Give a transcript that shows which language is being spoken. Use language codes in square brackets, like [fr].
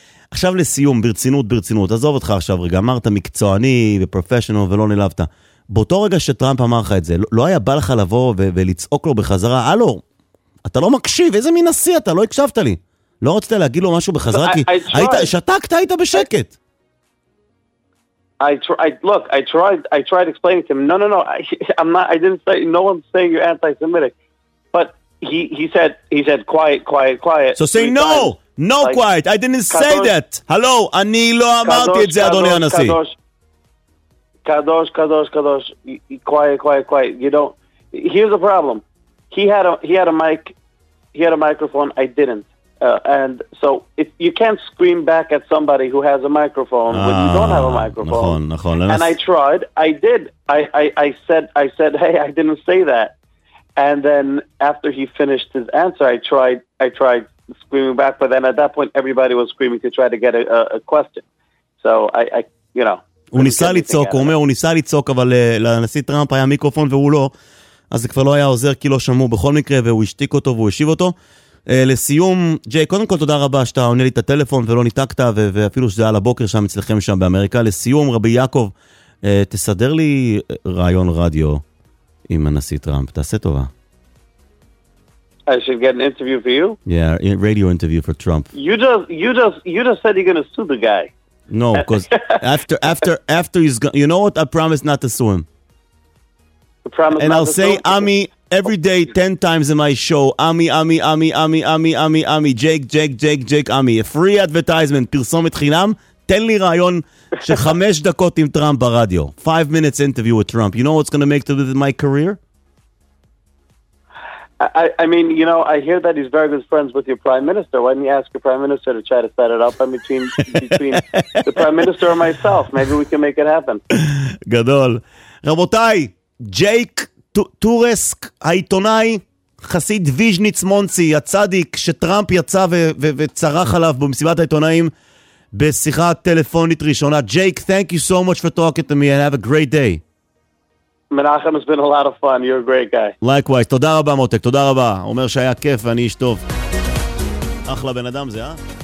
[he] עכשיו לסיום, ברצינות, עזוב אותך עכשיו רגע, אמרת מקצועני ופרופשיונל ולא נלבת, באותו רגע שטראמפ אמר לך את זה, לא היה בא לך לבוא ולצעוק לו בחזרה, הלו, אתה לא מקשיב, איזה מין נשיא אתה, לא הקשבת לי, לא רצית להגיד לו משהו בחזרה, כי שתקת, היית בשקט. [en] I tried explaining to him. No. I didn't say no one's saying you're anti-Semitic. But he said quiet. So say no. Times. No like, quiet. I didn't Kadosh, say that. Hello, [he] ani lo amarti et ze adoni anasi. [en] Kadosh. Quiet. You don't Here's the problem. He had a microphone. I didn't. And so if you can't scream back at somebody who has a microphone when you don't have a microphone. [he] נכון. [en] And I tried, I said hey, I didn't say that. And then after he finished his answer, I tried screaming back, but then at that point everybody was screaming to try to get a question. So I you know. [he] הוא ניסה לצעוק, הוא אומר, הוא ניסה לצעוק, אבל לנשיא טראמפ היה מיקרופון והוא לא, אז זה כבר לא היה עוזר כי לא שמעו בכל מקרה, והוא השתיק אותו והוא השיב אותו. לסיום, ג'יי, קודם כל תודה רבה שאתה עונה לי את הטלפון ולא ניתקת, ואפילו שזה על הבוקר שם אצלכם שם באמריקה. לסיום, רבי יעקב, תסדר לי רעיון רדיו עם הנשיא טראמפ, תעשה טובה. [en] I should get an interview for you? Yeah, radio interview for Trump. You just said you're gonna sue the guy. No, because after he's gone, you know what? I promise not to sue him. And I'll say Ami every day 10 times in my show. Ami, Jake, Ami. A free advertisement, [he] פרסומת חינם. תן לי רעיון של 5 דקות עם טראמפ ברדיו. [en] 5 minutes interview with Trump. You know what's going to make to my career? I mean, you know, I hear that he's very good friends with your prime minister. Why don't you ask your prime minister to try to set it up between the prime minister and myself? Maybe we can make it happen. [he] גדול. רבותיי, ג'ייק טורסק, העיתונאי, חסיד ויז'ניץ מונצי, הצדיק, שטראמפ יצא וצרח עליו במסיבת העיתונאים בשיחה טלפונית ראשונה. [en] ג'ייק, thank you so much for talking to me and have a great day. מנחם, it's been a lot of fun. You're a great guy. Likewise. [he] תודה רבה, מותק. תודה רבה. אומר שהיה כיף ואני איש טוב. אחלה בן אדם זה, אה?